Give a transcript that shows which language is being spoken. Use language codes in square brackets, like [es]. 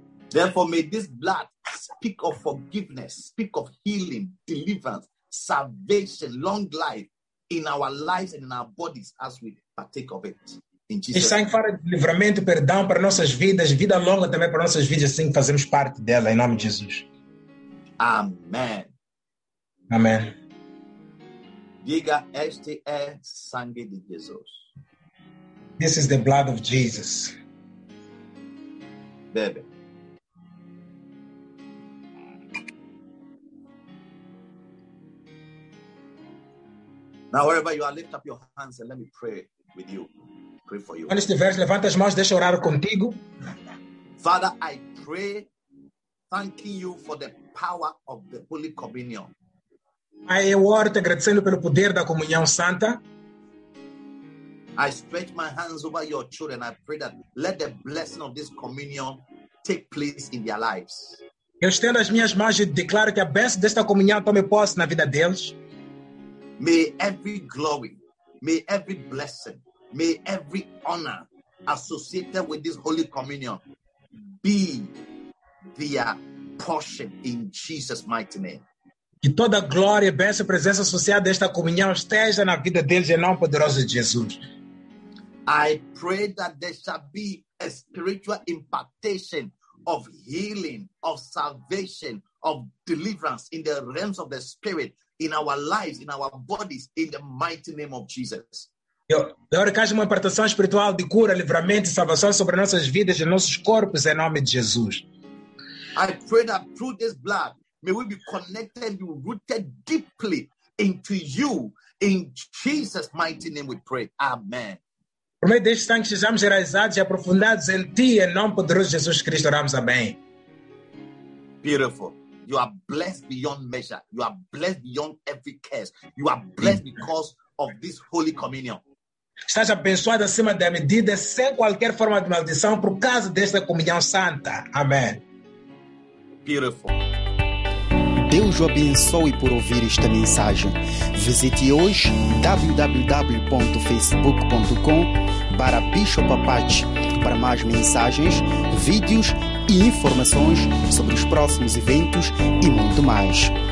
[en] Therefore may this blood speak of forgiveness, speak of healing, deliverance, salvation, long life in our lives and in our bodies as we partake of it. In Jesus. [pt] E sangue para livramento, perdão para nossas vidas, vida longa também para nossas vidas, assim que fazemos parte dela, em nome de Jesus. Amém. Amém. Diga, este é sangue de Jesus. [en] This is the blood of Jesus. [pt] Bebe. [en] Now, wherever you are, lift up your hands and let me pray with you. Pray for you. [pt] Quando estiveres, levanta as mãos, deixa eu orar contigo. [en] Father, I pray, thanking you for the power of the Holy Communion. [pt] Eu oro te agradecendo pelo poder da comunhão santa. [en] I stretch my hands over your children. I pray that let the blessing of this communion take place in their lives. [pt] Eu estendo as minhas mãos e declaro que a bênção desta comunhão tome posse na vida deles. [en] May every glory, may every blessing, may every honor associated with this Holy Communion be their portion in Jesus' mighty name. [pt] Que toda glória, bênção e presença associada a esta comunhão esteja na vida deles em nome poderoso de Jesus. [en] I pray that there shall be a spiritual impartation of healing, of salvation, of deliverance in the realms of the spirit, in our lives, in our bodies, in the mighty name of Jesus. [pt] Eu oro que haja uma impartação espiritual de cura, livramento e salvação sobre nossas vidas e nossos corpos em nome de Jesus. [en] I pray that through this blood, may we be connected and rooted deeply into you. In Jesus' mighty name we pray. Amen. [pt] Por meio deste sangue, sejamos realizados e aprofundados em ti, em nome poderoso de Jesus Cristo, oramos, amém. [en] Beautiful. You are blessed beyond measure. You are blessed beyond every curse. You are blessed because of this Holy Communion. [pt] Estás abençoado acima da medida, sem qualquer forma de maldição, por causa desta comunhão santa. Amém. [en] Beautiful. [pt] Deus o abençoe por ouvir esta mensagem. Visite hoje www.facebook.com/bishopapache para mais mensagens, vídeos e informações sobre os próximos eventos e muito mais.